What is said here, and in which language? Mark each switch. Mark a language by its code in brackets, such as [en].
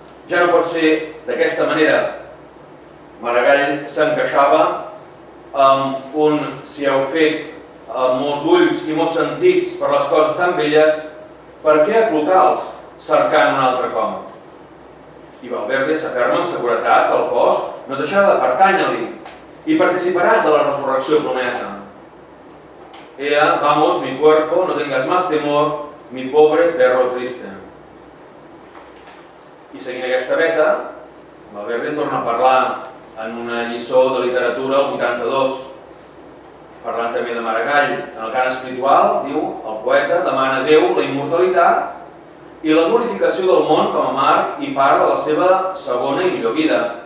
[ca] Ja no pot ser d'aquesta manera. Maragall s'encaixava amb un si heu fet amb molts ulls i molts sentits per les coses tan belles, per què aclocar-los cercant un altre com? I Valverde s'aferma amb seguretat que el cos no deixarà de pertànyer-li i participarà de la resurrecció promesa. [es] Ea, vamos, mi cuerpo, no tengas más temor, mi pobre perro triste. [ca] I seguint aquesta veta, Valverde torna a parlar en una lliçó de literatura el 82, parlant també de Maragall. En el cant espiritual, diu, el poeta demana a Déu la immortalitat i la glorificació del món com a marc i part de la seva segona i millor vida.